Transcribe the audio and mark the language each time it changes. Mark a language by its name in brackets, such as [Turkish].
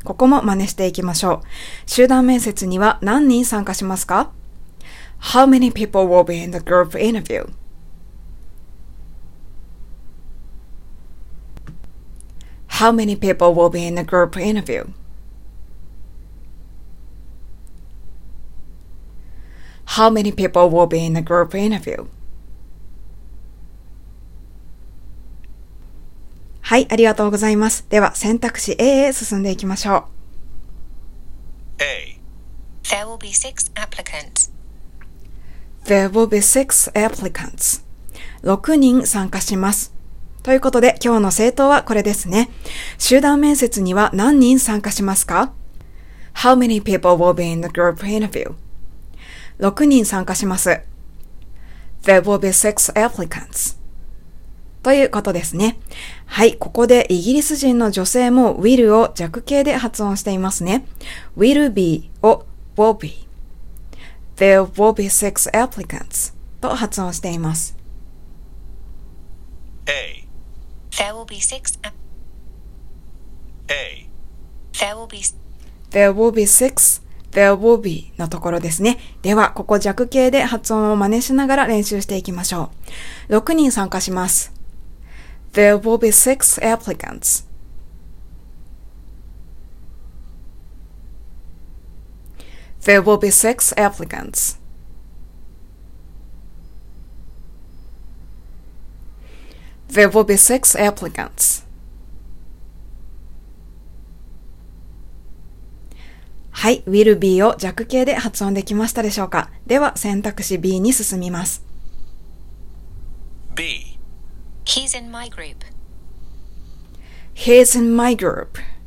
[Japanese] ここも真似していきましょう。集団面接には何人参加しますか? [English] How many people will be in the group interview? How many people will be in the group interview? How many people will be in the group interview? [Japanese] はい、ありがとうございます。では選択肢 A へ進んでいきましょう。 [English] A. There will be 6 applicants. There will be 6 applicants. [Japanese] 6人参加します。ということで今日の正答はこれですね。集団面接には何人参加しますか？ [English] How many people will be in the group interview? [Japanese] 6人参加します。 [English] There will be 6 applicants. [Japanese] ということですね。はい、ここでイギリス人の女性も will を弱形で発音していますね。 [English] will be を will be There will be 6 applicants [Japanese] と発音しています。 [English] A There will be 6 A There will be There will be 6 There will be [Japanese] のところですね。ではここ弱形で発音を真似しながら練習していきましょう。6人参加します。 [English] There will be 6 applicants. There will be 6 applicants. There will be 6 applicants. [Japanese] はい、 will be を弱形で発音できましたでしょうか。では選択肢 B に進みます。 [English] B. He's in my group. He's in my group.